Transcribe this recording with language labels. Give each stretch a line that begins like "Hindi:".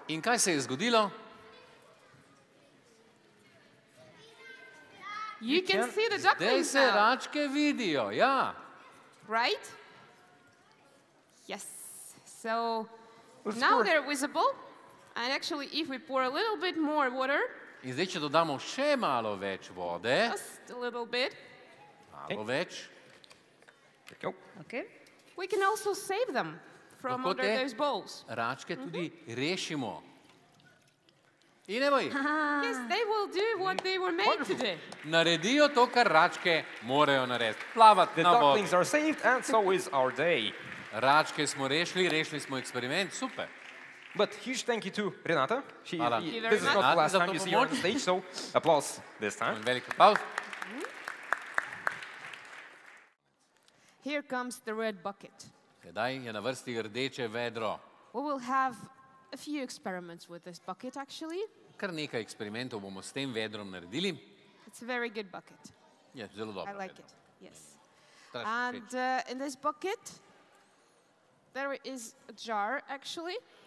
Slovenian: in kaj se je zgodilo?
English: You can see the duckling.
Slovenian: Zdaj se račke vidijo, ja.
English: Right? Yes. So let's now pour. They're visible. And actually if we pour a little bit more water,
Slovenian: in zdaj, če dodamo še malo več vode.
English: Just a little bit.
Slovenian: Malo okay. Več.
English: There you go. Okay. We can also save them from
Slovenian: lahko
English: under those bowls.
Slovenian: Račke tudi rešimo. In evo jih.
English: Yes, they will do what they were made to do.
Slovenian: Naredijo to, kar račke morajo narediti. Plavati na vodi.
English: The ducklings are saved and so is our day.
Slovenian: Račke smo rešili, rešili smo eksperiment. Super.
English: But huge thank you to Renata. She, this is not the last time you see her on the stage, so applause this time.
Slovenian: Veliki aplauz.
English: Here comes the red bucket.
Slovenian: Sedaj je na vrsti rdeče vedro.
English: We will have a few experiments with this bucket, actually.
Slovenian: Kar nekaj eksperimentov bomo s tem vedrom naredili.
English: It's a very good bucket.
Slovenian: Yeah, zelo dobro
English: vedro. I like
Slovenian: vedro.
English: It, yes. And in this bucket, there is a jar, actually.